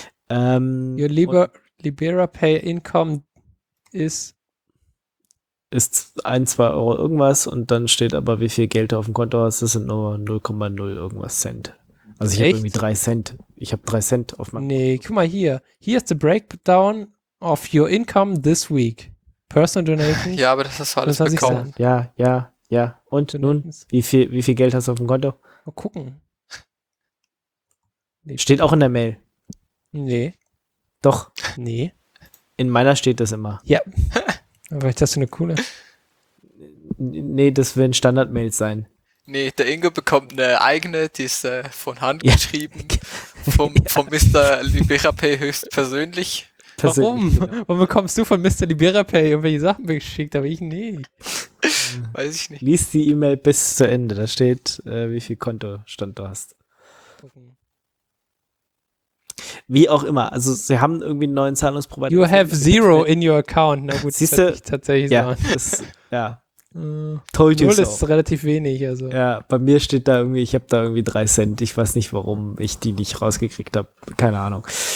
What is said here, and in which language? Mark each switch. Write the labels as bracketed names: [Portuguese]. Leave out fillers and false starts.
[English] Your Libera Pay Income ist [German] 1-2 Euro irgendwas und dann steht aber, wie viel Geld du auf dem Konto hast. Das sind nur 0,0 irgendwas Cent. Also ich habe irgendwie 3 Cent. Ich habe 3 Cent auf meinem. Nee, guck mal hier. [English] Here is the breakdown of your income this week. Personal donations. [German] Ja, aber das ist alles das bekommen. Ja, ja, ja. Und nun, wie viel Geld hast du auf dem Konto? Mal gucken. Nee. Steht auch in der Mail. Nee. Doch. Nee. In meiner steht das immer. Ja. Aber ich dachte, das ist eine coole. Nee, das werden Standard-Mails sein. Nee, der Ingo bekommt eine eigene, die ist von Hand geschrieben, vom Mr. Liberapay höchstpersönlich. Persönlich, warum? Genau. Warum bekommst du von Mr. Liberapay irgendwelche Sachen geschickt, aber ich nicht? Weiß ich nicht. Lies die E-Mail bis zu Ende, da steht, wie viel Kontostand du hast. Wie auch immer, also sie haben irgendwie einen neuen Zahlungsprovider. [English] You have zero in your account, [German] na gut, siehst du? Tatsächlich ja, sagen. Das, ja. [English] Told you [German] null [English] so. [German] Ist relativ wenig. Also. Ja, bei mir steht da irgendwie, ich habe da irgendwie 3 Cent. Ich weiß nicht, warum ich die nicht rausgekriegt habe. Keine Ahnung.